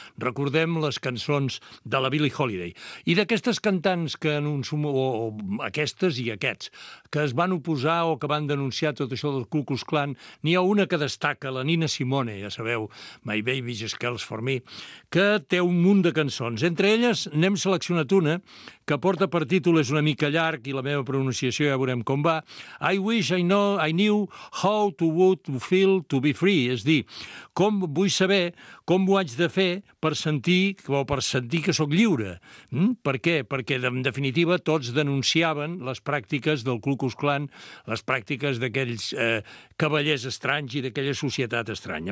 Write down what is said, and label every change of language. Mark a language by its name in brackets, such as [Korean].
[Catalan] Recordem les cançons de la Billie Holiday. I d'aquestes cantants que en un aquestes i aquests, que es van oposar o que van denunciar tot això del Ku Klux Klan, n'hi ha una que destaca, la Nina Simone, ja sabeu, My Baby Just Girls For Me, que té un munt de cançons. Entre elles, n'hem seleccionat una, que porta per títol, és una mica llarg, i la meva pronunciació ja veurem com va. [English] I wish I know I knew how to would feel to be free. [Catalan] És dir, com vull saber com ho haig de fer per sentir o per sentir que sóc lliure. Per què? Perquè, en definitiva, tots denunciaven les pràctiques del Ku Klux Klan, les pràctiques d'aquells cavallers estranys i d'aquella societat estranya.